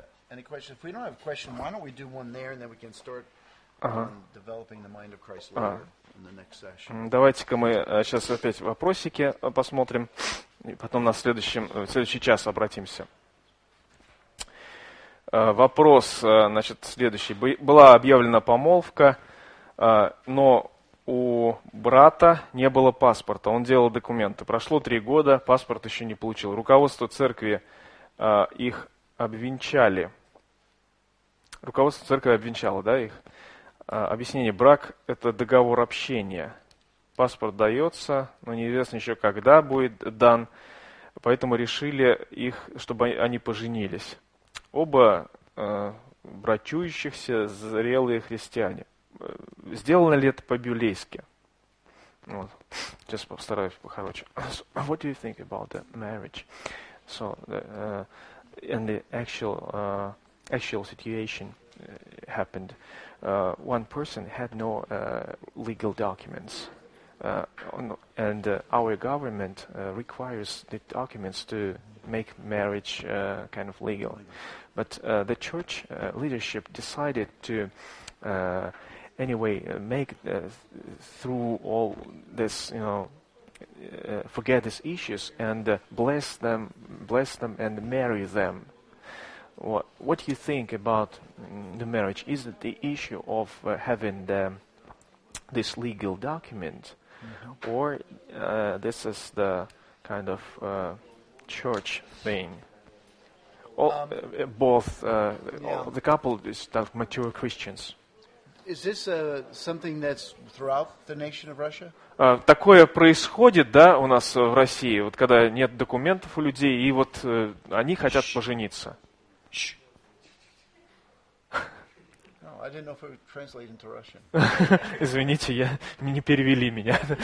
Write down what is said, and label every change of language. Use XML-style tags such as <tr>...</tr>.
<en>any questions? If we don't have a question, why don't we do one there and then we can start developing the mind of Christ later in the next session.</en> <ru>Давайте-ка мы сейчас опять вопросики посмотрим, и потом в следующий час обратимся. Вопрос, значит, следующий. Была объявлена помолвка, но у брата не было паспорта, он делал документы. Прошло 3 года, паспорт еще не получил. Руководство церкви их обвенчали. Руководство церкви обвенчало, да, их? Объяснение. Брак – это договор общения. Паспорт дается, но неизвестно еще, когда будет дан. Поэтому решили их, чтобы они поженились. Оба брачующихся зрелые христиане. Сделано ли это по-библейски? Вот. Сейчас постараюсь похороче.</ru> <en>So, what do you think about the marriage? So, and the actual situation happened. One person had no legal documents. And our government requires the documents to make marriage kind of legal. But the church leadership decided to anyway, make through all this, you know, forget these issues and bless them and marry them. What do you think about the marriage? Is it the issue of having this legal document, mm-hmm. or this is the kind of church thing? The couple is mature Christians. Is this something that's throughout the nation of Russia?</en> <ru>Такое происходит, да, у нас в России, вот когда нет документов у людей, и вот они хотят пожениться.</ru> <en>I didn't know if it would translate into Russian.</en> <ru>Извините, не перевели меня.</ru>